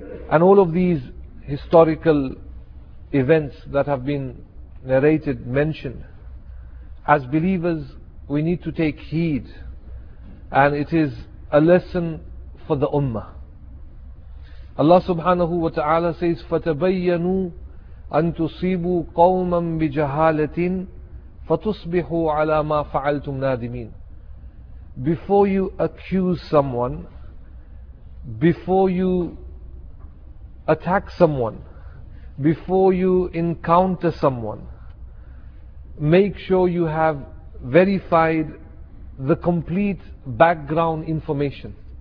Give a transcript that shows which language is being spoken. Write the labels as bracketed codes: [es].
[en] And all of these historical events that have been narrated, mentioned, as believers we need to take heed, and it is a lesson for the ummah. [ar] Allah subhanahu wa ta'ala says, فَتَبَيَّنُوا أَن تُصِيبُوا قَوْمًا بِجَهَالَةٍ فَتُصْبِحُوا عَلَى مَا فَعَلْتُمْ نَادِمِينَ. [en] Before you accuse someone, before you attack someone, before you encounter someone, make sure you have verified the complete background information.